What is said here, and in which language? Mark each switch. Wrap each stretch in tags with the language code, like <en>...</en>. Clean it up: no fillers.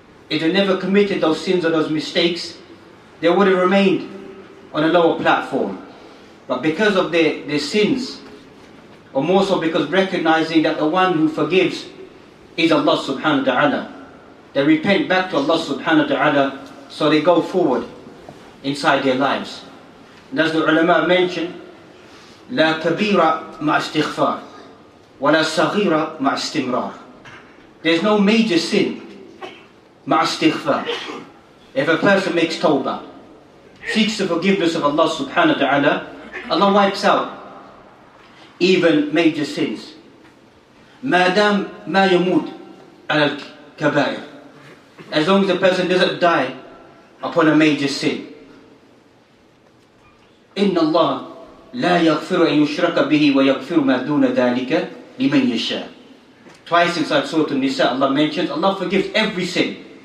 <en>If they never committed those sins or those mistakes, they would have remained on a lower platform. But because of their sins, or more so because recognizing that the one who forgives is Allah subhanahu wa ta'ala, they repent back to Allah subhanahu wa ta'ala, so they go forward inside their lives. And as the ulama mentioned,</en> <ar>لا كبيرة مع استغفار ولا صغيرة مع استمرار.</ar> <en>There's no major sin</en> <ar>مع استغفار.</ar> <en>If a person makes tawbah, seeks the forgiveness of Allah subhanahu wa ta'ala, Allah wipes out even major sins.</en> <ar>مادام ما يموت على الكبائر.</ar> <en>As long as a person doesn't die upon a major sin.</en> <ar>إِنَّ اللَّهَ لَا يَغْفِرُ أَن يُشْرَكَ بِهِ وَيَغْفِرُ مَا دُونَ ذَلِكَ لِمَن يَشَاءُ.</ar> <en>Twice inside Surah An-Nisa, Allah mentions, Allah forgives every sin.</en>